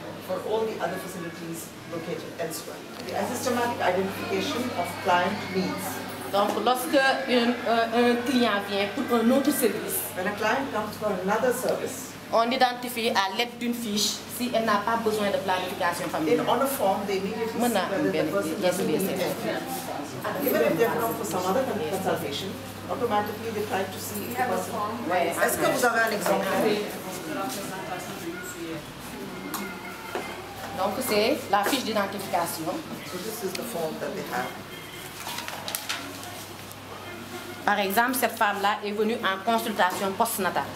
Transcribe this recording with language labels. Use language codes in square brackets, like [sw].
[en] For all the other facilities located elsewhere. The systematic identification of client needs. [fr] Donc lorsque un client vient pour un autre service, [en] when a client comes for another service, [fr] on identifie à l'aide d'une fiche si elle n'a pas besoin de planification familiale. [en] In on a form, they immediately see whether the person needs it. And even if they're coming for some other kind of consultation, automatically they try to see if the person... [fr] Ouais. Est-ce que vous avez un exemple? Donc c'est la fiche d'identification. [en] So this is the form that they have. [fr] Par exemple, cette femme-là est venue en consultation postnatale.